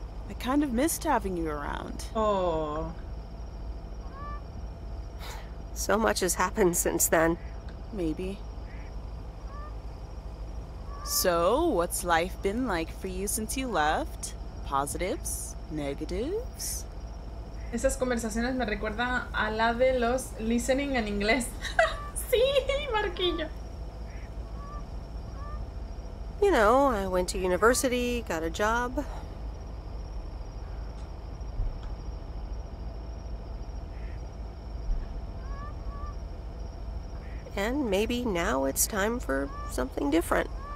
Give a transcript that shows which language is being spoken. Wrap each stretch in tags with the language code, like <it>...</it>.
<en>I kind of missed having you around. Oh. So much has happened since then. Maybe. So, what's life been like for you since you left? Positives, negatives.</en> <es>Esas conversaciones me recuerdan a la de los listening en inglés. Sí, Marquillo.</es> <en>You know, I went to university, got a job. And maybe now it's time for something different.</en>